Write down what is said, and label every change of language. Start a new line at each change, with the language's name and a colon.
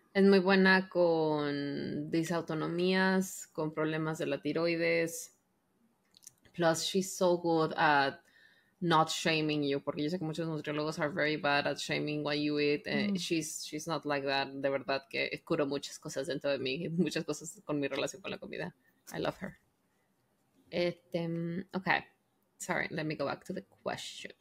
Spanish: Es muy buena con disautonomías, con problemas de la tiroides.
English: Plus, she's so good at not shaming you.
Spanish: Porque yo sé que muchos nutriólogos
English: are very bad at shaming what you eat. She's not like that.
Spanish: De verdad que curo muchas cosas dentro de mí. Muchas cosas con mi relación con la comida.
English: I love her. Okay. Sorry, let me go back to the questions.